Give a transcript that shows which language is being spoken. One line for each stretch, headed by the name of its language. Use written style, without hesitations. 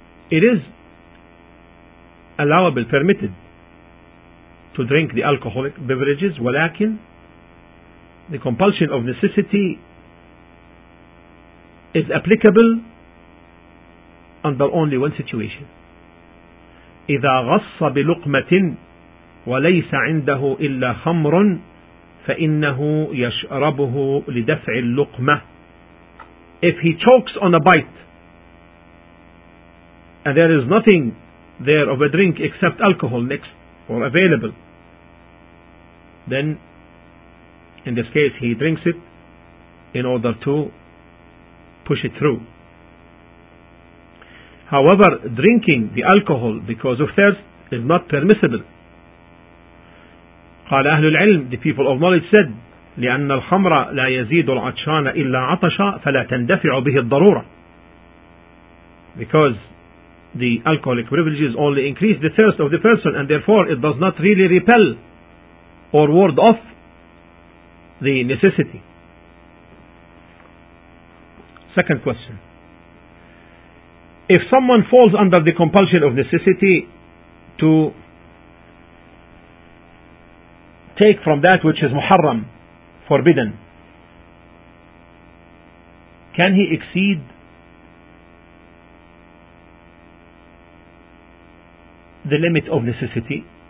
English: It is allowable, permitted to drink the alcoholic beverages, ولكن the compulsion of necessity is applicable under only one situation.
Arabic: إذا غص بلقمة وليس عنده إلا خمر فإنه يشربه لدفع اللقمة.
English: If he chokes on a bite and there is nothing there of a drink except alcohol next or available, then in this case he drinks it in order to push it through. However, drinking the alcohol because of thirst is not permissible.
Arabic: قال أهل العلم,
English: the people of knowledge said,
Arabic: لأن الخمر لا يزيد العطشان إلا عطشا فلا تندفع به الضرورة.
English: Because the alcoholic beverages only increase the thirst of the person, and therefore it does not really repel or ward off the necessity. Second question. If someone falls under the compulsion of necessity to take from that which is muharram, forbidden, can he exceed the limit of necessity?